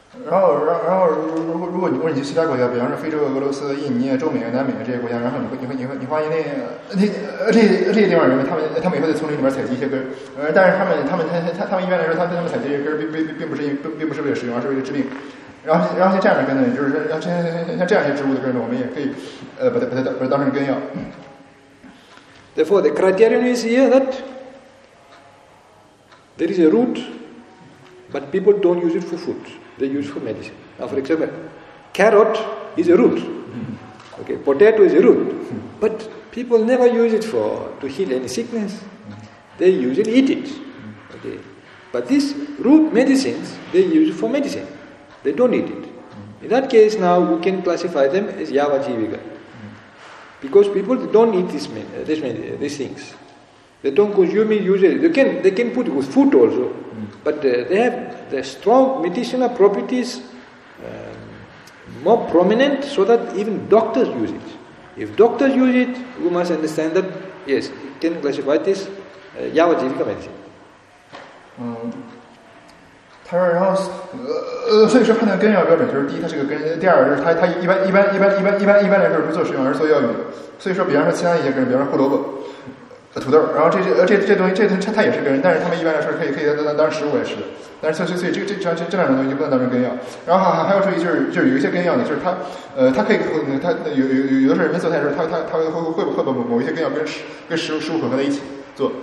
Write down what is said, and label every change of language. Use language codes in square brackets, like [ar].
[zh] 然后如果你去其他国家，比方说非洲、俄罗斯、印尼、中美、南美这些国家，然后你发现那地方人们，他们也会在丛林里面采集一些根，但是他们一般来说，他们采集这些根并不是为了食用，而是为了治病。然后像这样的根呢，就是说像这样一些植物的根呢，我们也可以把它当成根药。 [en] Therefore, the criterion is here that there is a root, but people don't use it for food. They use it for medicine. Now, for example, carrot is a root. Okay, potato is a root. But people never use it to heal any sickness. They usually eat it. Okay. But these root medicines, they use it for medicine. They don't eat it. In that case, now we can classify them as Java Jivika. Because people don't eat these things. They don't consume it usually. They can put it with food also. But they have the strong medicinal properties more prominent, so that even doctors use it. If doctors use it, we must understand that, yes, it can classify this Java Jivika medicine. [zh] 他说，然后，所以说判断根药标准就是第一，它是个根；第二就是它一般来说是不做食用，而是做药用的。所以说，比方说其他一些根，比方说胡萝卜、土豆，然后这东西它也是根，但是他们一般来说可以当食物来吃。但是所以这两种东西就不能当成根药。然后还要注意就是有一些根药呢，就是它可以它有的时候人们做菜的时候，它会把某一些根药跟食物混合在一起做。